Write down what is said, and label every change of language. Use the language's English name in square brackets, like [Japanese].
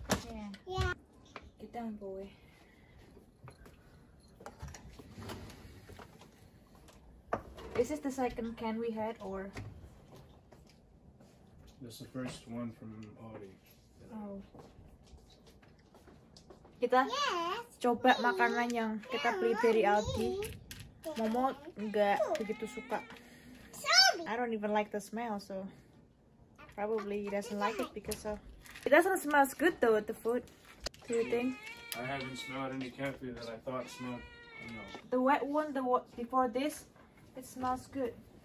[English] Yeah. Get down, boy. Is this the second can we had, or? This is the first one from Audi. Oh. [Indonesian] Kita coba makanan yang kita beli dari Audi. Momo nggak begitu suka. [English] I don't even like the smell, so probably he doesn't like it because of. It doesn't smell good though, the food. Do you think? I haven't smelled any coffee that I thought smelled. No. The wet one, the one before this. It smells good.